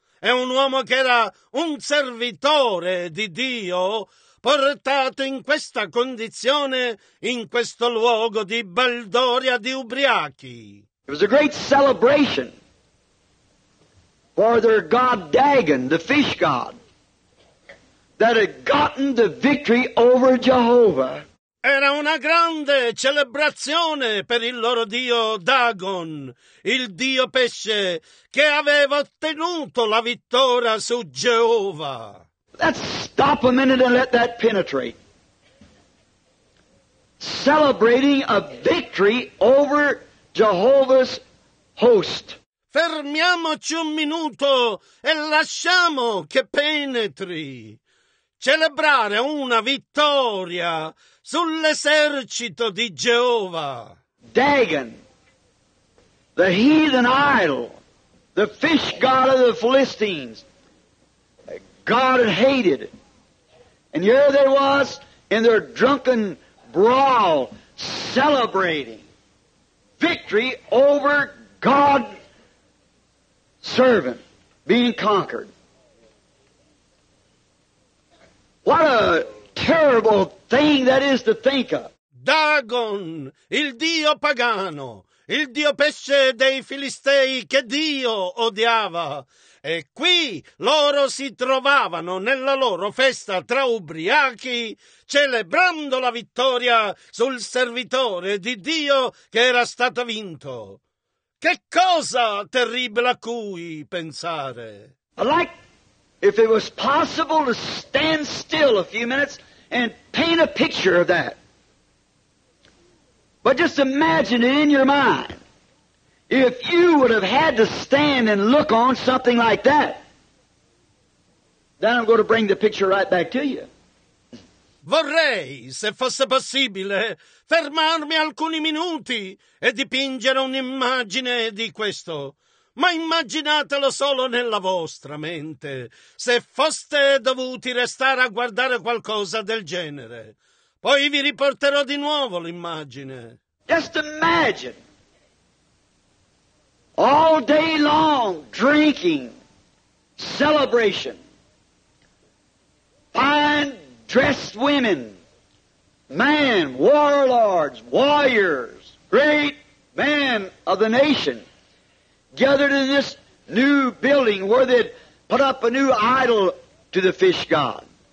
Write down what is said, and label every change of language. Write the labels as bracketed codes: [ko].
[it] È un uomo che era un servitore di Dio, portato in questa condizione, in questo luogo di baldoria di ubriachi. [en] It was a great celebration for their god Dagon, the fish god, that had gotten the victory over Jehovah. [it] Era una grande celebrazione per il loro dio Dagon, il dio pesce, che aveva ottenuto la vittoria su Geova. [en] Let's stop a minute and let that penetrate. Celebrating a victory over Jehovah's host. [it] Fermiamoci un minuto e lasciamo che penetri. Celebrare una vittoria sull'esercito di Geova. [en] Dagon, the heathen idol, the fish god of the Philistines, God had hated it. And here they was in their drunken brawl celebrating victory over God's servant being conquered. What a terrible thing that is to think of. [it] Dagon, il dio pagano, il dio pesce dei Filistei che Dio odiava. E qui loro si trovavano nella loro festa tra ubriachi, celebrando la vittoria sul servitore di Dio che era stato vinto. Che cosa terribile a cui pensare! [en] I'd like, if it was possible, to stand still a few minutes and paint a picture of that. But just imagine it in your mind. If you would have had to stand and look on something like that, then I'm going to bring the picture right back to you. [it] Vorrei, se fosse possibile, fermarmi alcuni minuti e dipingere un'immagine di questo. Ma immaginatelo solo nella vostra mente, se foste dovuti restare a guardare qualcosa del genere. Poi vi riporterò di nuovo l'immagine. [en] Just imagine. All day long, drinking, celebration, fine dressed women, men, warlords, warriors, great men of the nation, gathered in this new building where they'd put up a new idol to the fish god.